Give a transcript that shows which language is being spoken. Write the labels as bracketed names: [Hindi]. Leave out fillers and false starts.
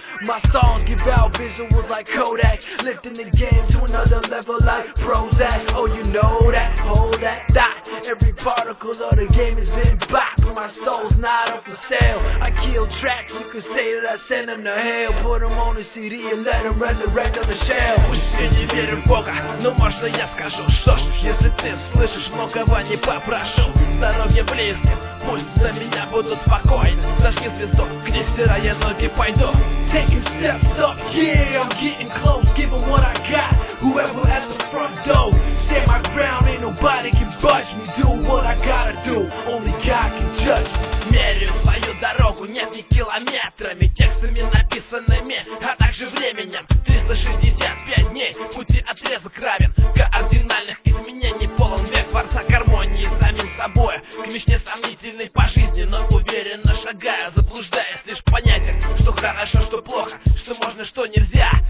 [English] My songs give out visuals like Kodak, lifting the game to another level like Prozac. Oh, you know that, hold that thought. Every particle of the game has been bought, but my soul's not up for sale. I kill tracks, you could say that I send them to hell. Put them on a CD and let them resurrect on the shell. [Russian] Пусть все не верят в Бога, но можно я скажу, что ж. Если ты слышишь, многого не попрошу. Здоровье близким, пусть за меня будут спокойны. Зажги звезду, к ней сырые ноги пойду. [English] Taking steps up, yeah, I'm getting close, giving what I got, whoever at the front door, stand my ground, ain't nobody can budge me, do what I gotta do, only God can judge me. [Russian] Меряю свою дорогу, нет, не километрами, текстами написанными, а также временем. 365 дней, пути отрезок равен, кардинальных изменений полон, век творца гармонии самим собой. К мечте сомнительной по жизни, но уверенно шагая, заблуждаясь лишь в понятиях, что хорошо, что плохо, что можно, что нельзя.